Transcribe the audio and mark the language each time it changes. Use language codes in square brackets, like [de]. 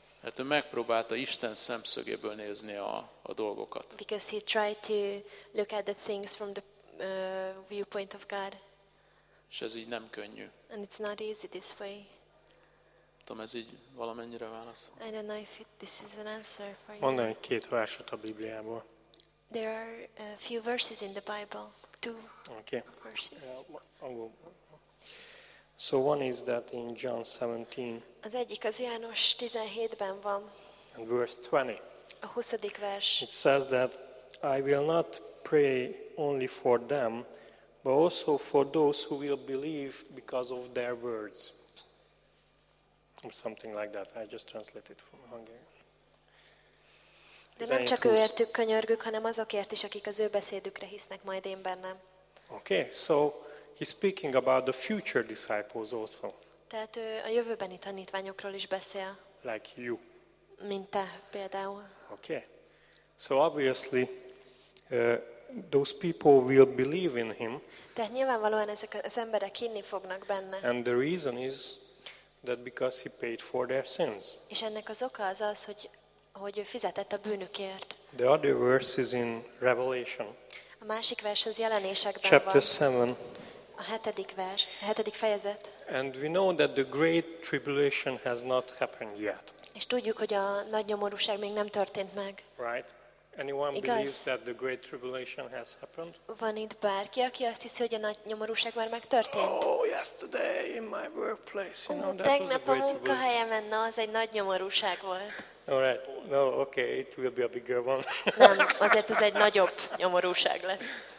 [hu] Hát ő megpróbálta Isten szemszögéből nézni a dolgokat. [en] Because he tried to look at the things from the viewpoint of God. [hu] És ez így nem könnyű. [en] And it's not easy this way. [hu] Tudom, ez így valamennyire válasz. [en] I don't know if this is an answer for you. [hu] Mondani egy két verset a Bibliából. [en] There are a few verses in the Bible. Two okay. Verses. So one is that in John 17. [hu] Az egyik az János 17-ben van. [en] And verse 20. [hu] A 20. vers. [en] It says that I will not pray only for them, but also for those who will believe because of their words. Something like that. I just translated from Hungarian. [hu] De nem csak őértük könyörgük, hanem azokért is, akik az ő beszédükre hisznek majd én bennem. [en] Okay, so he's speaking about the future disciples also. [hu] Tehát ő a jövőbeni tanítványokról is beszél. [en] Like you. [hu] Mint te például. [en] Okay, so obviously those people will believe in him. [hu] Tehát nyilvánvalóan ezek az emberek hinni fognak benne. [en] And the reason is that because he paid for their sins. [hu] És ennek az oka az az, hogy ő fizetett a bűnükért. [en] The other verse is in Revelation. [hu] A másik vers az Jelenésekben van. [en] Chapter 7. [hu] A hetedik vers, a hetedik fejezet. [en] And we know that the great tribulation has not happened yet. [hu] És tudjuk, hogy a nagy nyomorúság még nem történt meg. [en] Right? Anyone [hu] Igaz? [en] Believes that the great tribulation has happened? [hu] Van itt bárki, aki azt hiszi, hogy a nagy nyomorúság már megtörtént? [en] Oh, yesterday in my workplace, you know, that [hu] tegnap a munkahelyemen, az egy nagy nyomorúság volt. [en] All right. No, okay, it will be a bigger one. [hu] Nem, azért ez egy nagyobb nyomorúság lesz.